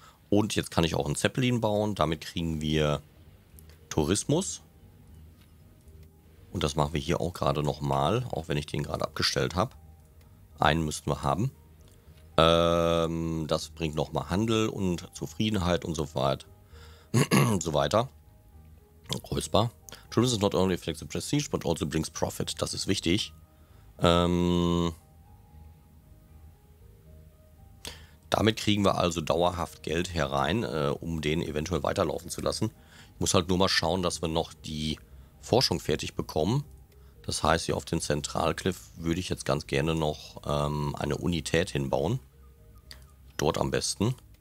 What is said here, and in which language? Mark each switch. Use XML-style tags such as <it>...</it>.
<de>Und jetzt kann ich auch einen Zeppelin bauen. Damit kriegen wir Tourismus. Und das machen wir hier auch gerade nochmal. Auch wenn ich den gerade abgestellt habe. Einen müssten wir haben. Das bringt nochmal Handel und Zufriedenheit und so weiter. Kreuzbar.</de> <en>Tourism is not only affects the prestige, but also brings profit.</en> <de>Das ist wichtig. Damit kriegen wir also dauerhaft Geld herein, um den eventuell weiterlaufen zu lassen. Ich muss halt nur mal schauen, dass wir noch die Forschung fertig bekommen. Das heißt, hier auf dem Zentralcliff würde ich jetzt ganz gerne noch eine Unität hinbauen. Dort am besten.</de>